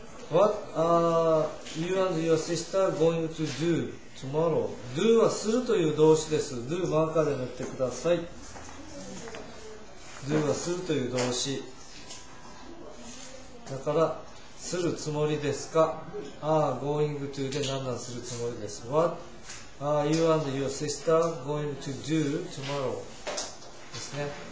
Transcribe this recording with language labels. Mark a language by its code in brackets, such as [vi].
[en] What are you and your sister going to do tomorrow。 [ja] do はするという動詞です。do マーカーで塗ってください。するはするという動詞だから、するつもりですか。 [en] are going to [ja] で何々するつもりです。 [en] what are you and your sister going to do tomorrow ですね。